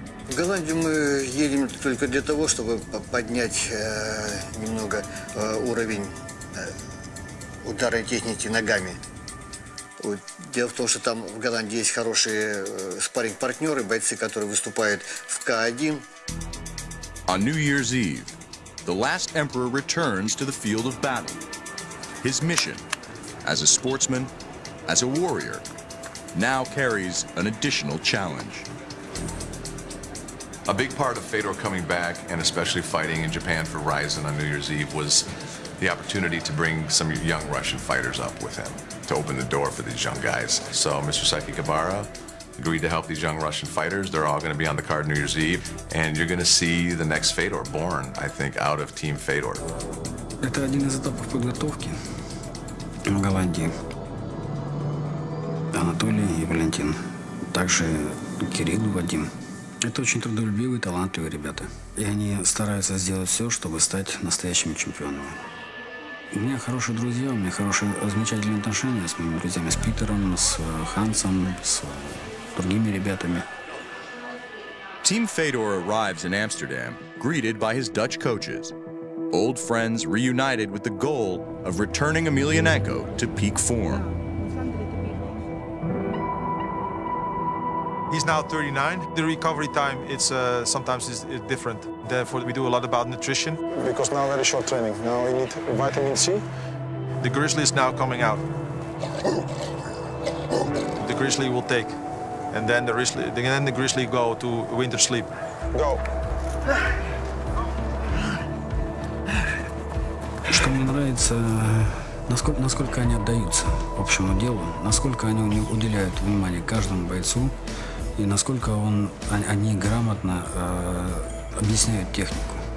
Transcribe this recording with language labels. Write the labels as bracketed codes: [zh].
[ru] В Голландию мы едем только для того, чтобы поднять немного уровень ударной техники ногами. Дело в том, что там в Голландии есть хорошие спарринг-партнеры, бойцы, которые выступают в К1. [en] On New Year's Eve, the last emperor returns to the field of battle. His mission, as a sportsman, as a warrior, now carries an additional challenge. A big part of Fedor coming back, and especially fighting in Japan for Ryzen on New Year's Eve, was the opportunity to bring some young Russian fighters up with him, to open the door for these young guys. So Mr. Saiki Kabara agreed to help these young Russian fighters. They're all gonna be on the card New Year's Eve, and you're gonna see the next Fedor born, I think, out of Team Fedor. [ru] Это один из этапов подготовки в Голландии. Анатолий и Валентин, также Кирилл и Вадим. Это очень трудолюбивые, талантливые ребята. И они стараются сделать все, чтобы стать настоящими чемпионами. У меня хорошие друзья, у меня хорошие, замечательные отношения с моими друзьями, с Питером, с Хансом, с другими ребятами. [en] Team Fedor arrives in Amsterdam, greeted by his Dutch coaches. Old friends reunited with the goal of returning Emelianenko to peak form. He's now 39. The recovery time, it's sometimes is different. Therefore, we do a lot about nutrition. Because now very short training. Now we need vitamin C. The grizzly is now coming out. The grizzly will take. And then the grizzly go to winter sleep. Go. [ru] Что мне нравится, насколько они отдаются общему делу, насколько они уделяют внимание каждому бойцу, и насколько они грамотно объясняют технику.